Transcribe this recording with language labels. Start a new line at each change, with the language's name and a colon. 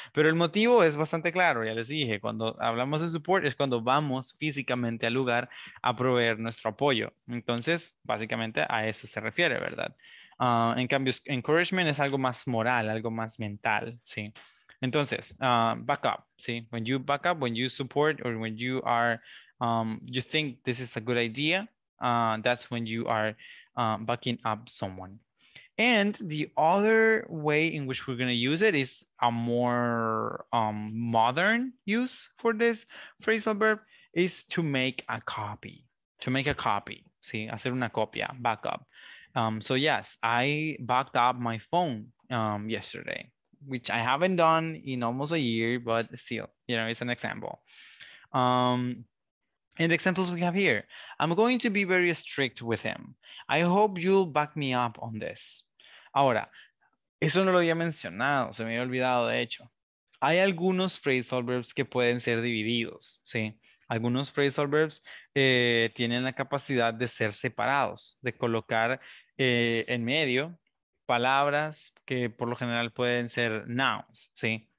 Spanish: Pero el motivo es bastante claro, ya les dije, cuando hablamos de support es cuando vamos físicamente al lugar a proveer nuestro apoyo. Entonces, básicamente a eso se refiere, ¿verdad? En cambio, encouragement es algo más moral, algo más mental, sí. Entonces, back up, ¿sí?
English: When you back up, when you support, or when you are, you think this is a good idea, that's when you are backing up someone. And the other way in which we're going to use it is a more modern use for this phrasal verb is to make a copy. To make a copy,
Spanish: ¿sí? Hacer una copia,
English: back up. So yes, I backed up my phone yesterday, which I haven't done in almost a year, but still, you know, it's an example. And the examples we have here, I'm going to be very strict with him. I hope you'll back me up on this.
Spanish: Ahora, eso no lo había mencionado, se me había olvidado de hecho. Hay algunos phrasal verbs que pueden ser divididos, ¿sí? Algunos phrasal verbs tienen la capacidad de ser separados, de colocar en medio palabras que por lo general pueden ser nouns, ¿sí?